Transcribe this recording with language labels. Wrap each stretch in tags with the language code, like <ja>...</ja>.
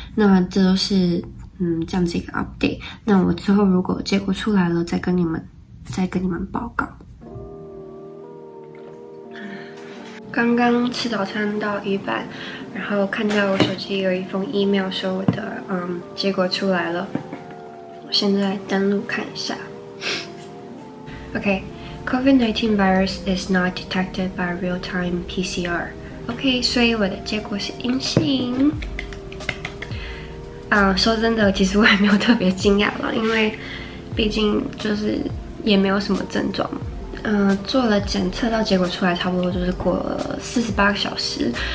<zh>那这都是这样子一个 update。那我之后如果结果出来了，再跟你们报告。刚刚吃早餐到一半，然后看到我手机有一封 email 说我的结果出来了，我现在登录看一下。</zh> <en>Okay, COVID-19 virus is not detected by real-time PCR.</en> <zh>Okay, 所以我的结果是阴性。说真的，其实我还没有特别惊讶了，因为毕竟就是也没有什么症状嘛。做了检测到结果出来差不多就是过了48个小时。</zh>